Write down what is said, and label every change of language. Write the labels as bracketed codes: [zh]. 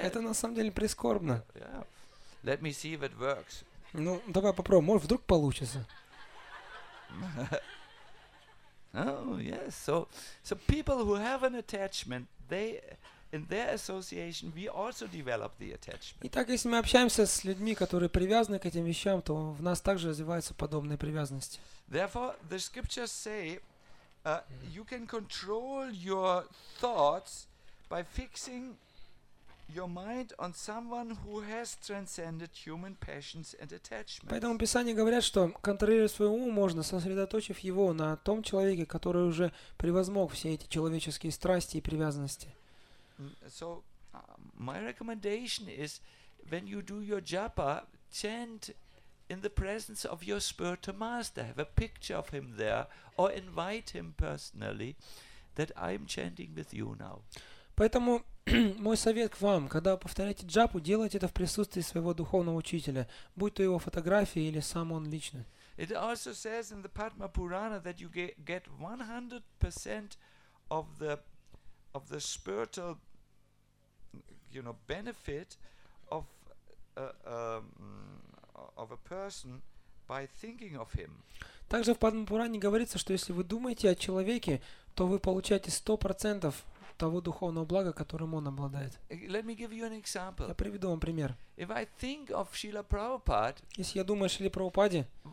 [ru] Это на самом деле прискорбно. [en] Yeah. Let me see if it works. [ru] Ну, давай попробуем, может вдруг получится. [en] Oh yes, so people who have an attachment, they in their association we also develop the attachment. [ru] Итак, если мы общаемся с людьми, которые привязаны к этим вещам, то в нас также развиваются подобные привязанности. [en] Therefore, the scriptures say you can control your thoughts by fixing your mind on someone who has transcended human passions and attachments. [ru] Поэтому Писание говорит, что контролировать свой ум можно, сосредоточив его на том человеке, который уже превозмог все эти человеческие страсти и привязанности. [en] So, my recommendation is, when you do your japa, chant in the presence of your spiritual master. Have a picture of him there, or invite him personally, that I'm chanting with you now. [ru] Поэтому мой совет к вам, когда вы повторяете джапу, делайте это в присутствии своего духовного учителя, будь то его фотография или сам он лично. [en] It also says in the Padma Purana that you get 100% of the spiritual, you know, benefit of a person by thinking of him. [ru] Также в Падма Пуране говорится, что если вы думаете о человеке, то вы получаете 100% того духовного блага, которым он обладает. [en] Let me give you an example. [ru] Я приведу вам пример. [en] If I think of Srila Prabhupada, [ru] если я думаю о Шриле Прабхупаде,